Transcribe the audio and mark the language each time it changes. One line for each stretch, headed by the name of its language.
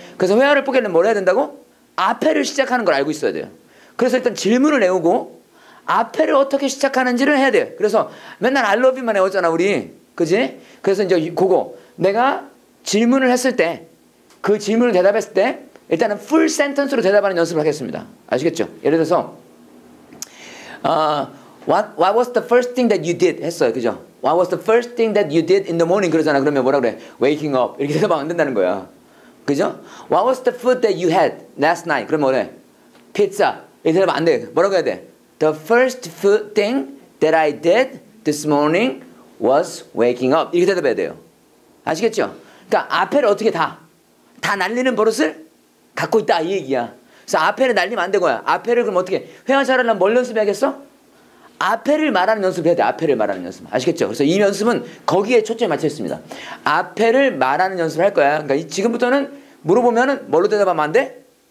Korean: 그래서 회화를 뽀개려면 뭘 해야 된다고? 앞에를 시작하는 걸 알고 있어야 돼요. 그래서 일단 질문을 내오고 앞에를 어떻게 시작하는지를 해야 돼요. 그래서 맨날
English: I love you
Korean: 만 해왔잖아 우리. 그지? 그래서 이제 그거 내가 질문을 했을 때 그 질문을 대답했을 때 일단은 풀 센텐스로 대답하는 연습을 하겠습니다. 아시겠죠?
English: 예를 들어서 what was the first thing that you did?
Korean: 했어요. 그죠?
English: What was the first thing that you did in the morning?
Korean: 그러잖아. 그러면 뭐라 그래?
English: Waking up.
Korean: 이렇게 대답하면 안 된다는 거야. 그죠?
English: What was the food that you had last night?
Korean: 그러면 뭐래? Pizza. 이렇게 대답하면 안 돼. 뭐라고 해야 돼?
English: The first food thing that I did this morning was waking up.
Korean: 이렇게 대답해야 돼요. 아시겠죠? 그러니까 앞에를 어떻게 다 날리는 버릇을 갖고 있다. 이 얘기야. 그래서 앞에를 날리면 안 된 거야. 앞에를 그럼 어떻게 회화 잘하려면 뭘 연습해야겠어? 앞에를 말하는 연습을 해야 돼. 앞에를 말하는 연습. 아시겠죠? 그래서 이 연습은 거기에 초점이 맞춰 있습니다. 앞에를 말하는 연습을 할 거야. 그러니까 지금부터는 물어보면은 뭘로 대답하면 안 돼?